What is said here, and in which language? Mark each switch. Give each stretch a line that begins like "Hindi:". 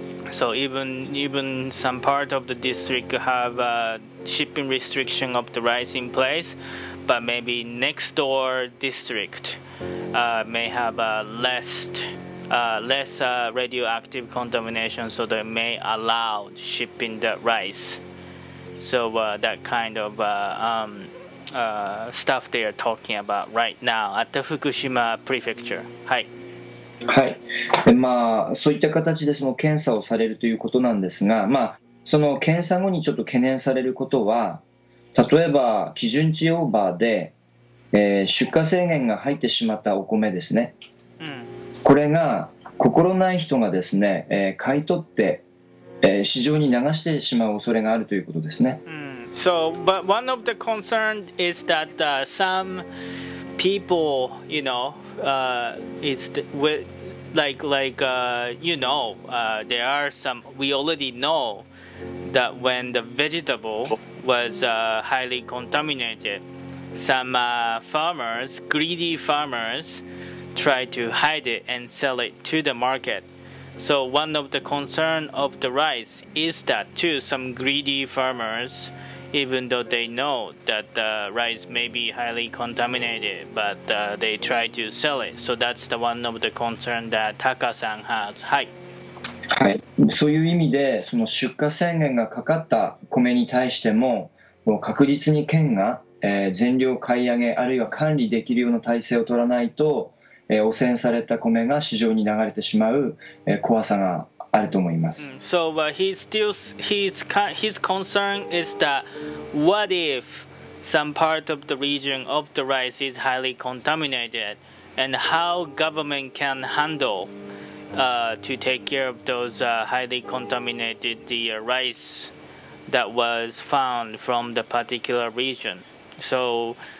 English: So even some part of the district have a shipping restriction of the rice in place, but maybe next door district may have a less radioactive contamination, so they may allow shipping the rice. So that kind of stuff they are talking about right now at the Fukushima Prefecture.
Japanese: はい。はい。で、まあ、そういった形でその検査をされるということなんですが、まあ、その検査後にちょっと懸念されることは、例えば基準値オーバーで、出荷制限が入ってしまったお米ですね。うん。これが心ない人がですね、買い取って、市場に流してしまう恐れがあるということですね。 Mm.
English: So, but one of the concerns is that some people, you know, there are some, we already know that when the vegetable was highly contaminated, some farmers, greedy farmers,try to hide it and sell it to the market. So one of the concern of the rice is that too, some greedy farmers, even though they know that the rice may be highly contaminated, but they try to sell it. So that's the one of the concern that Taka-san has.
Japanese: はい。はい。そういう意味で、その出荷宣言がかかった米に対しても、もう確実に県が、全量買い上げあるいは管理できるような体制を取らないと、汚染された米が市場に流れてしまう、怖さがあると思います。 Mm.
English: So, his concern is that what if some part of the region of the rice is highly contaminated, and how government can handle to take care of those highly contaminated the rice that was found from the particular region. So.